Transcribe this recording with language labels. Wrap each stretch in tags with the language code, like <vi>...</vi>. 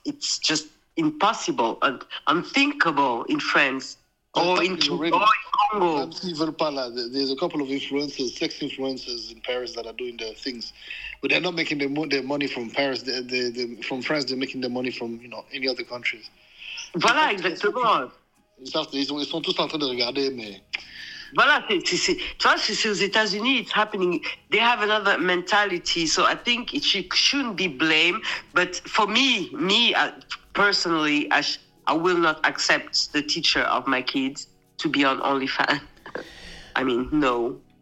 <en>It's just impossible and unthinkable in France. There's a couple of influencers, sex influencers in Paris that are doing their things, but they're not making their money from Paris. From France, they're making their money from, you know, any other countries.</en> <fr>Voilà, exactement. Ils sont tous en train de regarder, mais. Voilà, c'est aux États-Unis,</fr> <en>it's happening. They have another mentality, so I think it shouldn't be blamed. But for me personally, I will not accept the teacher of my kids to be on OnlyFans. I mean, no.</en>